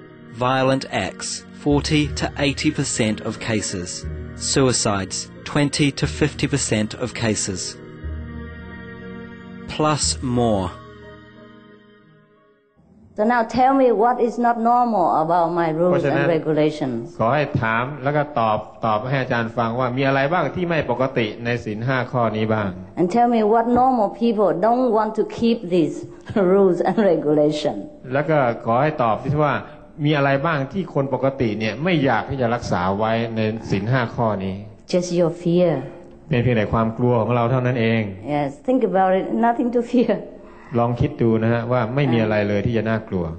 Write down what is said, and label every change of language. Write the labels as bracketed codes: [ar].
[en] Violent acts, 40 to 80% of cases. Suicides, 20 to 50% of cases. Plus more. So now tell me what is not normal about my rules and regulations. [th] ขอให้ถามแล้วก็ตอบให้อาจารย์ฟังว่ามีอะไรบ้างที่ไม่ปกติในศีล5ข้อนี้บ้าง [en] And tell me what normal people don't want to keep these rules and regulations. [th] แล้วก็ขอให้ตอบที่ว่ามีอะไรบ้างที่คนปกติเนี่ยไม่อยากที่จะรักษาไว้ในศีล5ข้อนี้ [en] Just your fear. [th] เป็นเพียงแต่ความกลัวของเราเท่านั้นเอง [en] Yes, think about it. Nothing to fear. [th] ลองคิดดูนะฮะว่าไม่มีอะไรเลยที่จะน่ากลัว